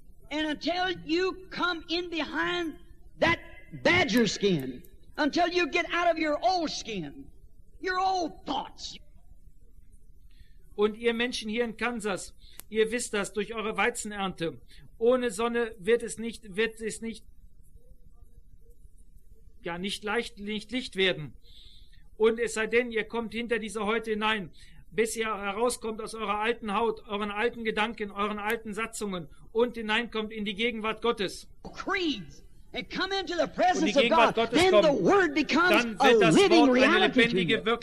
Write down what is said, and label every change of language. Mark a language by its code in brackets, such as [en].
[en] Und until you come in behind that badger skin, until you get out of your old skin, your old thoughts. [de] Und ihr Menschen hier in Kansas, ihr wisst das durch eure Weizenernte. Ohne Sonne wird es nicht Licht werden. Und es sei denn, ihr kommt hinter diese Häute hinein, bis ihr herauskommt aus eurer alten Haut, euren alten Gedanken, euren alten Satzungen und hineinkommt in die Gegenwart Gottes. [en] Creeds. And come into the presence of God, then the word becomes a living reality.